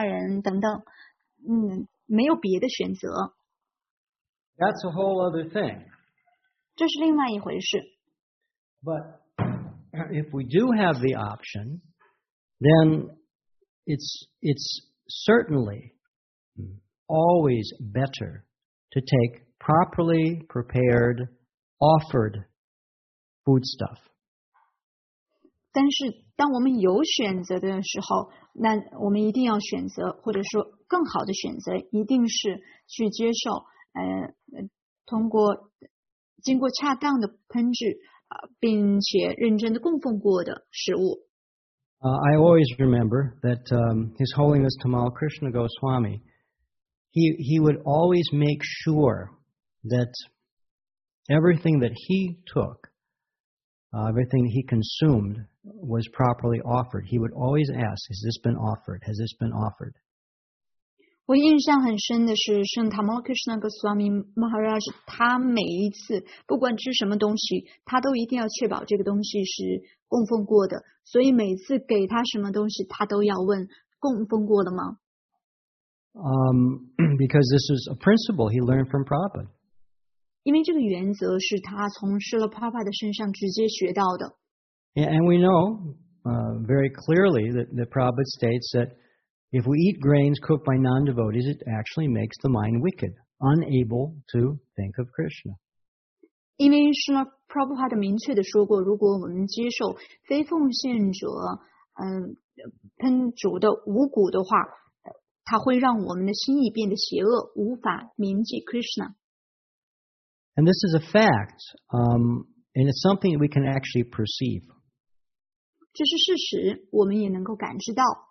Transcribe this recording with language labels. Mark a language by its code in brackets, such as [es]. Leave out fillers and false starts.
[zh] 可能有时候因为要处理生意上的事情，或者要照顾到家人等等，没有别的选择。 [en] That's a whole other thing. [zh] 这是另外一回事。 [en] But if we do have the option, then it's certainly always better to take properly prepared offered foodstuff. [zh] 但是当我们有选择的时候，那我们一定要选择，或者说更好的选择，一定是去接受，通过经过恰当的烹制，并且认真的供奉过的食物。 [en] I always remember that His Holiness Tamal Krishna Goswami, he would always make sure that everything that he took. Everything he consumed was properly offered. He would always ask, has this been offered? Has this been offered? [zh] 我印象很深的是圣塔摩克什那个苏阿米马哈拉什他每一次不管吃什么东西他都一定要确保这个东西是供奉过的所以每次给他什么东西他都要问供奉过了吗 [en] Because this is a principle he learned from Prabhupada. [zh] 因为这个原则是他从释迦牟尼的身上直接学到的。 [en] And we know, very clearly that the Prabhupada states that if we eat grains cooked by non-devotees, it actually makes the mind wicked, unable to think of Krishna. [zh] 因为释迦牟尼的明确的说过，如果我们接受非奉献者，烹煮的五谷的话，它会让我们的心意变得邪恶，无法铭记 Krishna。 [en] And this is a fact, and it's something that we can actually perceive. [zh] 这是事实，我们也能够感知到。